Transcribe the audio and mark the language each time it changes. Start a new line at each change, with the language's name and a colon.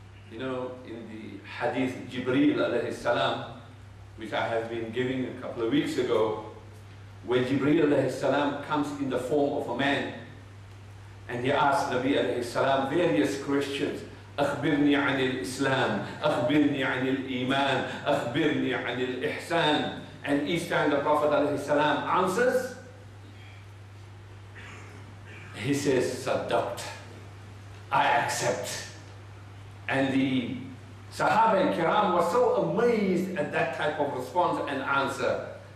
English: You know, in the hadith Jibreel alayhi salam, which I have been giving a couple of weeks ago, where Jibreel alayhi salam comes in the form of a man, and he asks Nabi alayhi salam various questions.
Arabic: أخبرني عن الإسلام, أخبرني عن الإيمان, أخبرني عن الإحسان.
English: And each time the Prophet alayhi salam answers, he says, Saddaqt, I accept. And the Sahaba al-Kiram was so amazed at that type of response and answer.